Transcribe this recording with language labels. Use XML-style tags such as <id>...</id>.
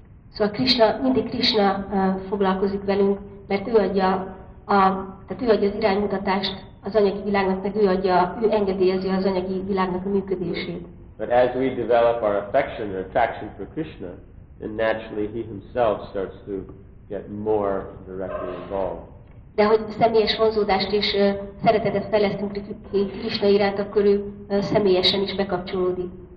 <hu>Szóval Krishna, mindig Krishna foglalkozik velünk, mert ő adja tehát ő adja az iránymutatást az anyagi világnak, meg ő engedélyezi az anyagi világnak a működését.</hu> <en>But as we develop our affection or attraction for Krishna, then naturally he himself starts to get more directly involved.</en> <hu>De hogy személyes vonzódást és szeretetet fejlesztünk Krishna iránt, akkor ő személyesen is bekapcsolódik.</hu>